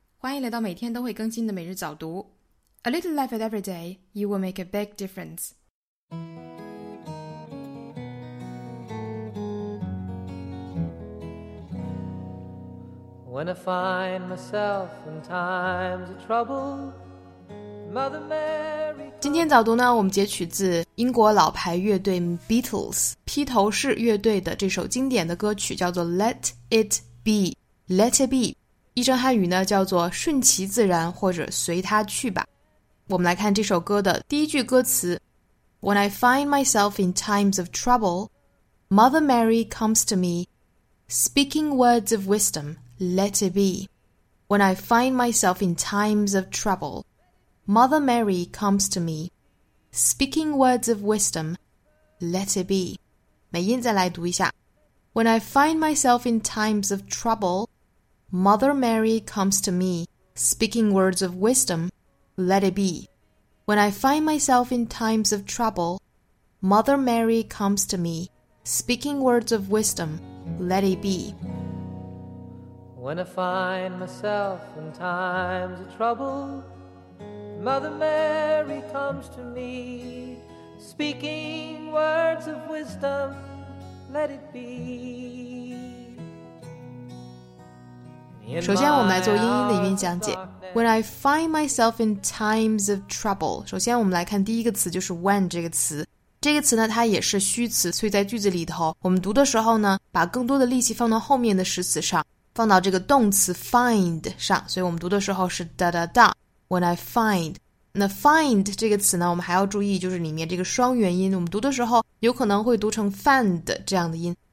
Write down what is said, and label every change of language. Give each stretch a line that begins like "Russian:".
Chinese: 欢迎来到每天都会更新的每日早读。
English: A little life at every day, you will make a big difference. When I find myself in times of trouble, Mother Mary...
Chinese: 今天早读呢，我们截取自英国老牌乐队 Beatles, 披头士乐队的这首经典的歌曲叫做 Let It Be. Let it be, 译成汉语呢叫做顺其自然或者随它去吧。我们来看这首歌的第一句歌词。
English: When I find myself in times of trouble, Mother Mary comes to me, speaking words of wisdom, let it be. When I find myself in times of trouble, Mother Mary comes to me, speaking words of wisdom, let it be.
Chinese: 美音再来读一下。
English: When I find myself in times of trouble,Mother Mary comes to me, speaking words of wisdom, let it be. When I find myself in times of trouble, Mother Mary comes to me, speaking words of wisdom, let it be. When I find myself in times of trouble, Mother Mary comes to me, speaking words of wisdom, let it be.
Chinese: 首先我们来做英音的一遍讲解。
English: When I find myself in times of trouble,
Chinese: 首先我们来看第一个词就是 when 这个词。这个词呢它也是虚词，所以在句子里头我们读的时候呢把更多的力气放到后面的实词上，放到这个动词 find 上，所以我们读的时候是 da da da, when I find。那 find 这个词呢我们还要注意就是里面这个双元音，我们读的时候有可能会读成 find 这样的音。